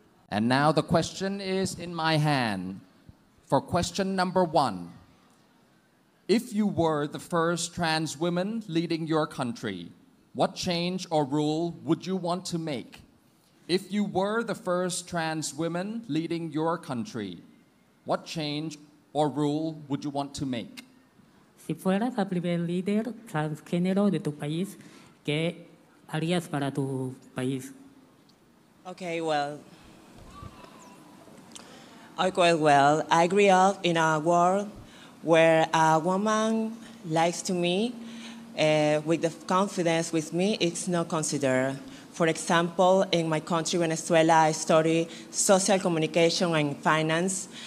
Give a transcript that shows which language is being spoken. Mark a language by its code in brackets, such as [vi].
[en] And now the question is in my hand. For question number one, if you were the first trans woman leading your country, what change or rule would you want to make? If you were the first trans woman leading your country, what change or rule would you want to make? [es] Si fueras la primer líder transgénero de tu país, ¿qué harías para tu país? [en] Okay, well, I grew up in a world where a woman likes to me with the confidence with me, it's not considered. For example, in my country, Venezuela, I study social communication and finance.